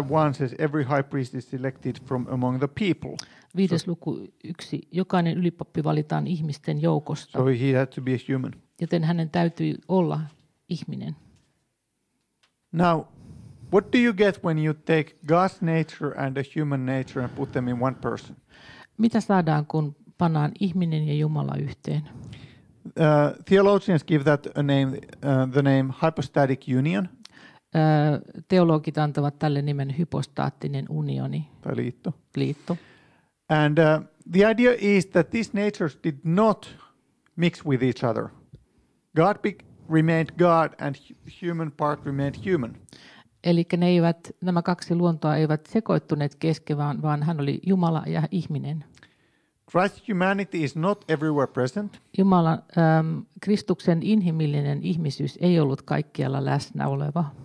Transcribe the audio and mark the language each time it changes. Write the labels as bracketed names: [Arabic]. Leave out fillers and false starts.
[English] 5:1 says every high priest is selected from among the people. [Finnish] Viides luku yksi, jokainen ylipappi valitaan ihmisten joukosta. [English] So he had to be a human. [Finnish] Joten hänen täytyi olla ihminen. [English] Now, what do you get when you take God's nature and a human nature and put them in one person? [Finnish] Mitä saadaan, kun pannaan ihminen ja Jumala yhteen? [English] Theologians give that a name, the name hypostatic union. [Finnish] Teologit antavat tälle nimen hypostaattinen unioni. Tai liitto. Liitto. [English] And the idea is that these natures did not mix with each other. God remained God and human part remained human. [Finnish] Eli nämä kaksi luontoa eivät sekoittuneet keskenään, vaan hän oli Jumala ja ihminen. [English] Christ's humanity is not everywhere present. [Finnish] Jumala, Kristuksen inhimillinen ihmisyys ei ollut kaikkialla läsnä oleva.